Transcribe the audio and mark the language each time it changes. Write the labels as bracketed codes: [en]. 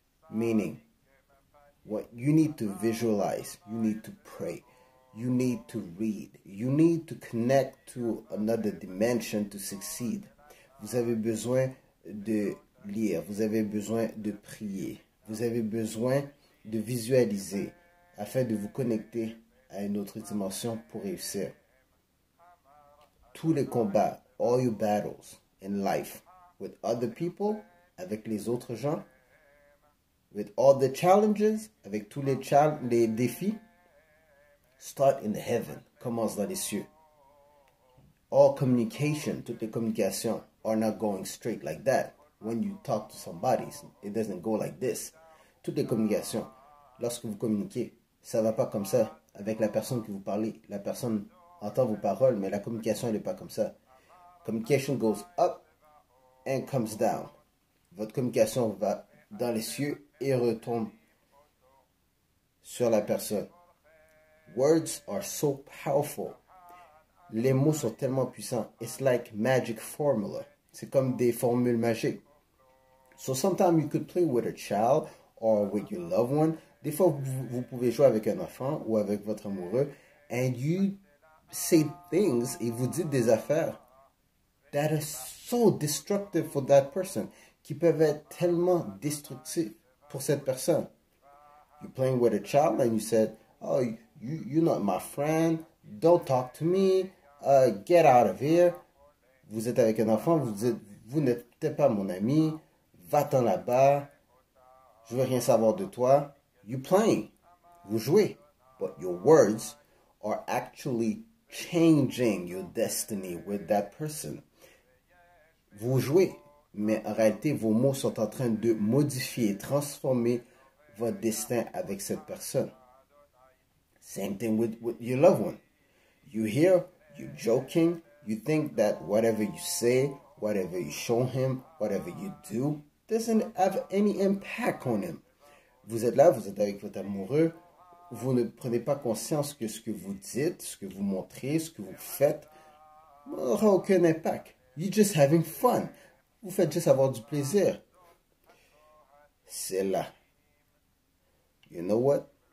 [en] Meaning, what you need to visualize, you need to pray, you need to read, you need to connect to another dimension to succeed. [fr] Vous avez besoin de lire, vous avez besoin de prier, vous avez besoin de visualiser afin de vous connecter à une autre dimension pour réussir. Tous les combats, [en] all your battles in life, with other people, [fr] avec les autres gens, [en] with all the challenges, [fr] avec tous les défis, [en] start in heaven, [fr] commence dans les cieux. [en] All communication, [fr] toutes les communications [en] are not going straight like that. When you talk to somebody, it doesn't go like this. [fr] Toutes les communications, lorsque vous communiquez, ça va pas comme ça avec la personne que vous parlez. La personne entend vos paroles, mais la communication elle est pas comme ça. [en] Communication goes up and comes down. [fr] Votre communication va dans les cieux et retombe sur la personne. [en] Words are so powerful. [fr] Les mots sont tellement puissants. [en] It's like magic formula. [fr] C'est comme des formules magiques. [en] So sometimes you could play with a child or with your loved one. [fr] Des fois, vous pouvez jouer avec un enfant ou avec votre amoureux. [en] And you say things [fr] et vous dites des affaires [en] that are so destructive for that person. [fr] Qui peuvent être tellement destructifs pour cette personne. [en] You're playing with a child and you said, oh, you're not my friend. Don't talk to me. Get out of here. [fr] Vous êtes avec un enfant, vous dites, vous n'êtes pas mon ami. Va-t'en là-bas. Je veux rien savoir de toi. [en] You're playing. [fr] Vous jouez. [en] But your words are actually changing your destiny with that person. [fr] Vous jouez. Mais en réalité, vos mots sont en train de modifier, transformer votre destin avec cette personne. [en] Same thing with your loved one. You hear, you're joking, you think that whatever you say, whatever you show him, whatever you do, doesn't have any impact on him. [fr] Vous êtes là, vous êtes avec votre amoureux, vous ne prenez pas conscience que ce que vous dites, ce que vous montrez, ce que vous faites, n'aura aucun impact. [en] You're just having fun. [fr] Vous faites juste avoir du plaisir. C'est là. [en] You know what?